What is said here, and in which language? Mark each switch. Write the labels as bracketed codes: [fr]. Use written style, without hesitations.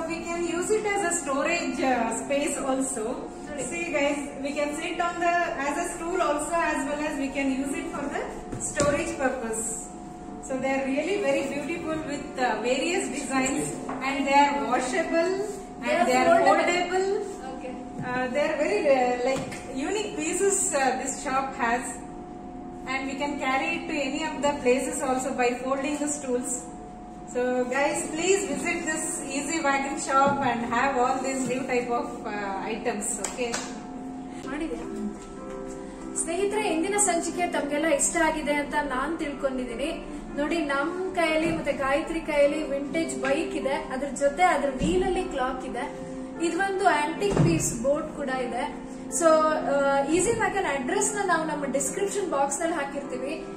[en] We can use it as a storage space also. See guys, we can sit on the as a stool also, as well as we can use it for the storage purpose. So they are really very beautiful with various designs, and they are washable and they are foldable. Okay. They are very unique pieces this shop has, and we can carry it to any of the places also by folding the stools. So guys, please visit this Eazy Wagon shop and have all these new type of items. Okay. [kn] ಸ್ನೇಹಿತರೆ, ಇಂದಿನ ಸಂಚಿಕೆ ತಮ್ಗೆಲ್ಲ ಇಷ್ಟ ಆಗಿದೆ ಅಂತ ನಾನ್ ತಿಳ್ಕೊಂಡಿದ್ದೀನಿ. ನೋಡಿ, ನಮ್ ಕೈಯಲ್ಲಿ ಮತ್ತೆ ಗಾಯತ್ರಿ ಕೈಯಲ್ಲಿ ವಿಂಟೇಜ್ ಬೈಕ್ ಇದೆ, ಅದ್ರ ಜೊತೆ ಅದ್ರ ವೀಲ್ ಅಲ್ಲಿ ಕ್ಲಾಕ್ ಇದೆ, ಇದೊಂದು ಆಂಟಿಕ್ ಪೀಸ್ ಬೋಟ್ ಕೂಡ ಇದೆ. ಸೊ ಈಸಿ ವ್ಯಾಗನ್ ಅಡ್ರೆಸ್ ನ ನಾವು ನಮ್ಮ ಡಿಸ್ಕ್ರಿಪ್ಷನ್ ಬಾಕ್ಸ್ ನಲ್ಲಿ ಹಾಕಿರ್ತೀವಿ.